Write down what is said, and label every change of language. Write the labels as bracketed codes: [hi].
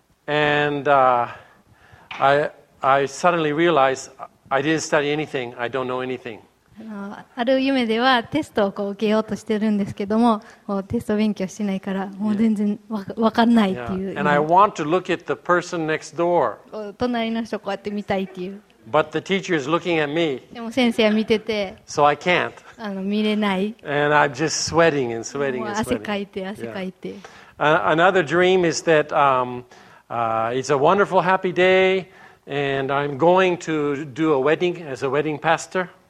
[en] And I suddenly realized I didn't study anything. I don't know anything. [ja] ある夢ではテストをこう受けようとしてるんですけども、もうテスト勉強してないからもう全然わかんないっていう。 [en] And I want to look at the person next door. [ja] 隣の人こうやって見たいっていう。 [en] But the teacher is looking at me. [ja] でも先生は見てて。 [en] So I can't. [ja] 見れない。 [en] And I'm just sweating and sweating and sweating. [ja] 汗かいて汗かいて。 [en] Another dream is that it's a wonderful, happy day, and I'm going to do a wedding as a wedding pastor.